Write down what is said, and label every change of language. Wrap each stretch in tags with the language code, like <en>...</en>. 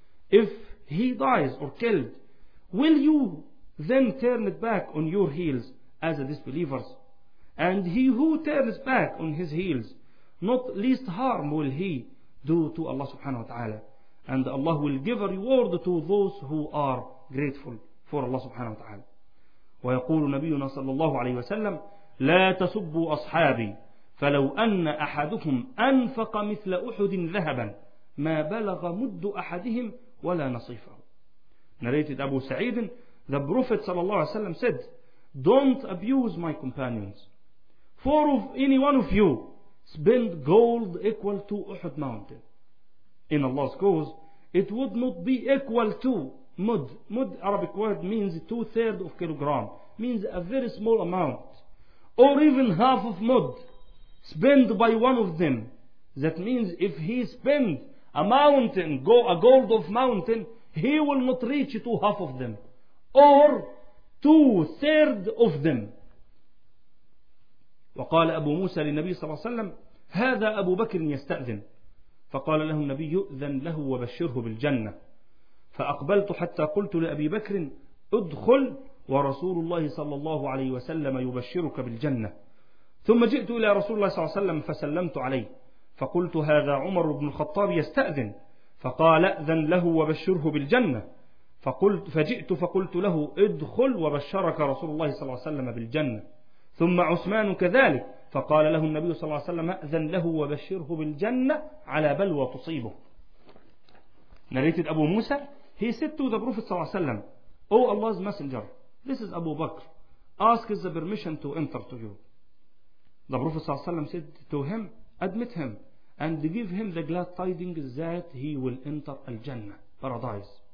<en>If he dies or killed, will you then turn it back on your heels as a disbelievers? And he who turns back on his heels, not least harm will he do to Allah subhanahu wa ta'ala. And Allah will give a reward to those who are grateful for Allah subhanahu wa ta'ala.</en> <ar>ويقول نبينا صلى الله عليه وسلم, لا تسبوا أصحابي فلو أن أحدكم أنفق مثل أحد ذهبا ما بلغ مد أحدهم ولا نصيفه.</ar> <en>Narrated Abu Sa'id, the Prophet sallallahu alaihi wasallam said, "Don't abuse my companions. For of any one of you spend gold equal to Uhud mountain in Allah's cause, it would not be equal to mud. Mud, Arabic word, means 2/3 of kilogram, means a very small amount, or even half of mud spent by one of them. That means if he spend a mountain, go a gold of mountain, he will not reach to half of them or 2/3 of them."</en> <ar>وقال أبو موسى للنبي صلى الله عليه وسلم, "هذا أبو بكر يستأذن." فقال له النبي, "يؤذن له وبشره بالجنة." فأقبلت حتى قلت لأبي بكر, "ادخل ورسول الله صلى الله عليه وسلم يبشرك بالجنة." ثم جئت إلى رسول الله صلى الله عليه وسلم فسلمت عليه, فقلت, "هذا عمر بن الخطاب يستأذن." فقال, "أذن له وبشره بالجنة." فجئت فقلت له, "ادخل وبشرك رسول الله صلى الله عليه وسلم بالجنة." ثم عثمان كذلك, فقال له النبي صلى الله عليه وسلم, "أذن له وبشره بالجنة على بلوى تصيبه."</ar> <en>Narrated Abu Musa, he said to the Prophet</en> <ar>صلى الله عليه وسلم,</ar> <en>"O Allah's Messenger, this is Abu Bakr. Ask the permission to enter to you." The Prophet</en> <ar>صلى الله عليه وسلم</ar> <en>said to him, "Admit him and give him the glad tidings that he will enter al-Jannah, paradise."</en>